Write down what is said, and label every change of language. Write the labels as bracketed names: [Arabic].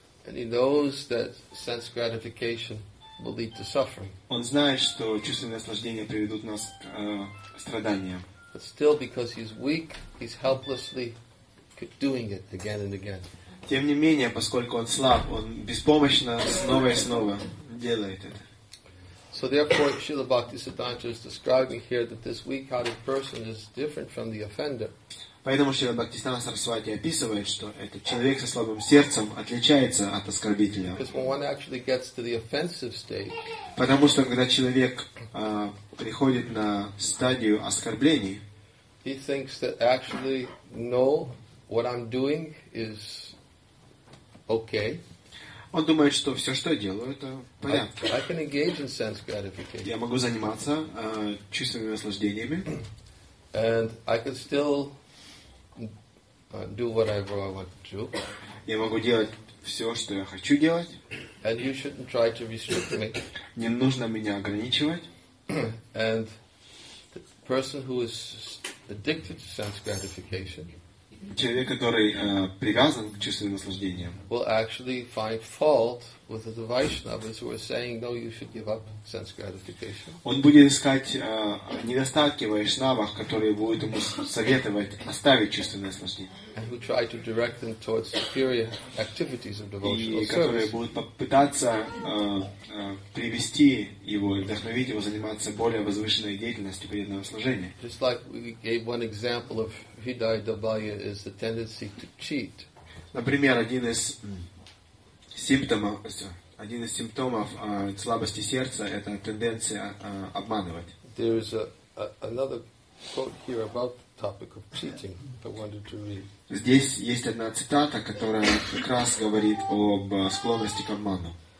[English] And he knows that sense gratification will lead to suffering. [Russian] Он знает, что чувственные наслаждения приведут нас к страданиям. [English] But still, because he's weak, he's helplessly doing it again and again. [Russian] Тем не менее, поскольку он слаб, он беспомощно снова и снова делает это. [English] So therefore, Śrīla Bhaktisiddhānta is describing here that this weak-hearted person is different from the offender. [Russian] Поэтому Śrīla Bhaktisiddhānta Sarasvati описывает, что этот человек со слабым сердцем отличается от оскорбителя. [English] Because when one actually gets to the offensive stage, [Russian] потому что когда человек приходит на стадию оскорблений, [English] he thinks that actually, no, what I'm doing is okay. [Russian] Он думает, что все, что я делаю, это порядка. [English] I can engage in sense gratification. [Russian] Я могу заниматься чувственными наслаждениями. [English] And I can still do whatever I want to. [Russian] Я могу делать все, что я хочу делать. [English] And you shouldn't try to restrict me. [Russian] Не нужно меня ограничивать. [English] And the person who is addicted to sense gratification, [Russian] человек, который привязан к чувственным наслаждениям, [English] will actually find fault with the Vaishnavas who are saying, no, you should give up sense gratification. [Russian] Он будет искать недостатки в вайшнавах, которые будут ему советовать оставить чувственные наслаждения. [English] And who try to direct them towards superior activities of devotional service. [Russian] И которые будут попытаться привести его, вдохновить его заниматься более возвышенной деятельностью преданного служения. [English] Just like we gave one example of Hidaya Dabaya is the tendency to cheat. [Russian] Например, один из симптомов слабости сердца – это тенденция обманывать. [English] There is another quote here about the topic of cheating I wanted to read. [Russian] Здесь есть одна цитата, которая как раз говорит об склонности к обману.